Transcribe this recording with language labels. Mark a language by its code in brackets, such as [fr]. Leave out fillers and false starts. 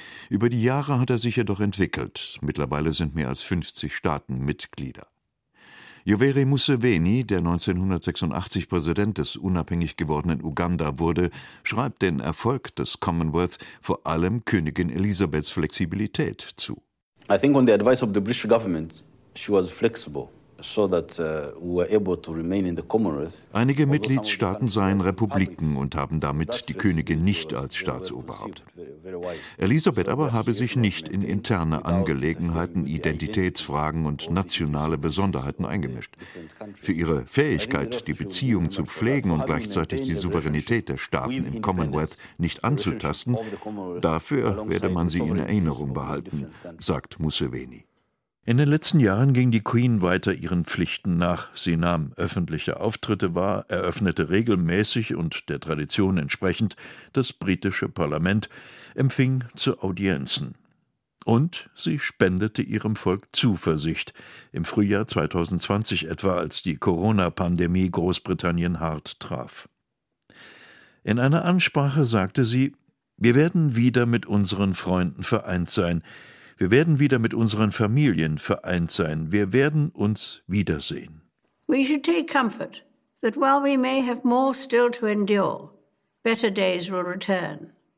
[de] Über die Jahre hat er sich jedoch entwickelt. Mittlerweile sind mehr als 50 Staaten Mitglieder. Yoweri Museveni, der 1986 Präsident des unabhängig gewordenen Uganda wurde, schreibt den Erfolg des Commonwealth vor allem Königin Elisabeths Flexibilität zu. [en] I think on the advice of the British government, she was flexible. [de] Einige Mitgliedstaaten seien Republiken und haben damit die Königin nicht als Staatsoberhaupt. Elisabeth aber habe sich nicht in interne Angelegenheiten, Identitätsfragen und nationale Besonderheiten eingemischt. Für ihre Fähigkeit, die Beziehung zu pflegen und gleichzeitig die Souveränität der Staaten im Commonwealth nicht anzutasten, dafür werde man sie in Erinnerung behalten, sagt Museveni. In den letzten Jahren ging die Queen weiter ihren Pflichten nach. Sie nahm öffentliche Auftritte wahr, eröffnete regelmäßig und der Tradition entsprechend das britische Parlament, empfing zu Audienzen. Und sie spendete ihrem Volk Zuversicht, im Frühjahr 2020 etwa, als die Corona-Pandemie Großbritannien hart traf. In einer Ansprache sagte sie: »Wir werden wieder mit unseren Freunden vereint sein«, wir werden wieder mit unseren Familien vereint sein. Wir werden uns wiedersehen. [en] We should take comfort that while we may have more still to endure, better days will return.